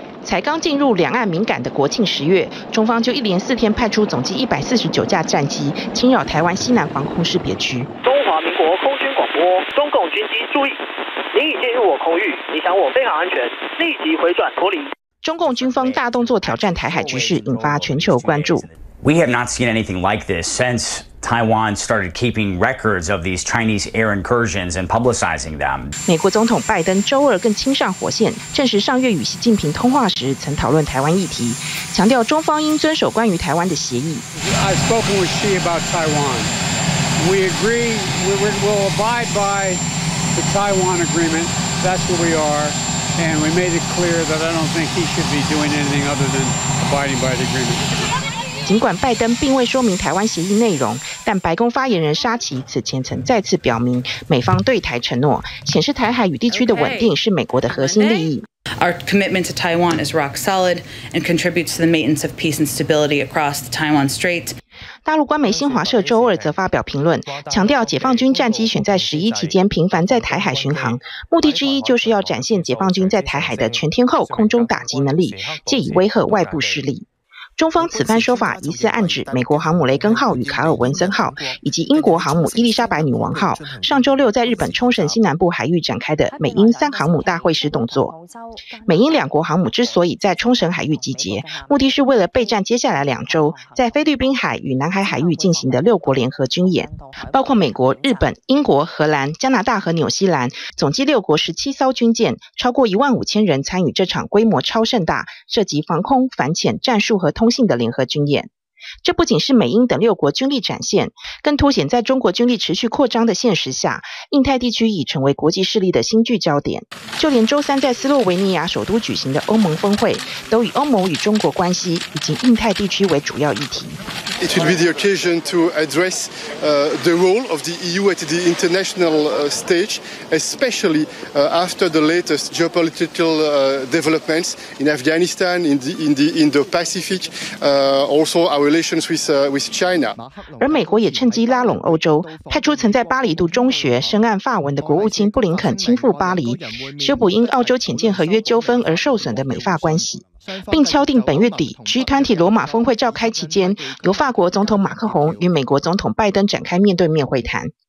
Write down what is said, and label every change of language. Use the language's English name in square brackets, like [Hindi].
[Chinese] 才刚进入两岸敏感的国庆十月，中方就一连四天派出总计149架战机侵扰台湾西南防空识别区。中华民国空军广播，中共军机注意，您已进入我空域，你想我非常安全，立即回转脱离。中共军方大动作挑战台海局势，引发全球关注。 [English] We have not seen anything like this since Taiwan started keeping records of these Chinese air incursions and publicizing them. [Chinese] 美国总统拜登周二更亲上火线，证实上月与习近平通话时曾讨论台湾议题，强调中方应遵守关于台湾的协议。 [English] I've spoken with Xi about Taiwan. We agree we will abide by the Taiwan agreement. That's where we are. And we made it clear that I don't think he should be doing anything other than abiding by the agreement. [Chinese] 尽管拜登并未说明台湾协议内容，但白宫发言人沙奇此前曾再次表明美方对台承诺，显示台海与地区的稳定是美国的核心利益。 [English] Our commitment to Taiwan is rock solid and contributes to the maintenance of peace and stability across the Taiwan Strait. [Chinese] 大陆官媒新华社周二则发表评论，强调解放军战机选在十一期间频繁在台海巡航，目的之一就是要展现解放军在台海的全天候空中打击能力，借以威吓外部势力。中方此番说法疑似暗指美国航母雷根号与卡尔文森号，以及英国航母伊丽莎白女王号上周六在日本冲绳西南部海域展开的美英三航母大会时动作。美英两国航母之所以在冲绳海域集结，目的是为了备战接下来两周在菲律宾海与南海海域进行的六国联合军演，包括美国、日本、英国、荷兰、加拿大和纽西兰，总计六国17艘军舰，超过15000人参与这场规模超盛大、涉及防空、反潜、战术和通信的联合军演。这不仅是美英等六国军力展现，更凸显在中国军力持续扩张的现实下，印太地区已成为国际势力的新聚焦点。就连周三在斯洛维尼亚首都举行的欧盟峰会，都以欧盟与中国关系以及印太地区为主要议题。 [English] It will be the occasion to address the role of the EU at the international stage, especially after the latest geopolitical developments in Afghanistan, in the Indo-Pacific, also our relations with China. [Chinese] 而美国也趁机拉拢欧洲，派出曾在巴黎读中学、深谙法文的国务卿布林肯亲赴巴黎，修补因澳洲潜舰合约纠纷而受损的美法关系。并敲定本月底 G20 罗马峰会召开期间，由法国总统马克宏与美国总统拜登展开面对面会谈。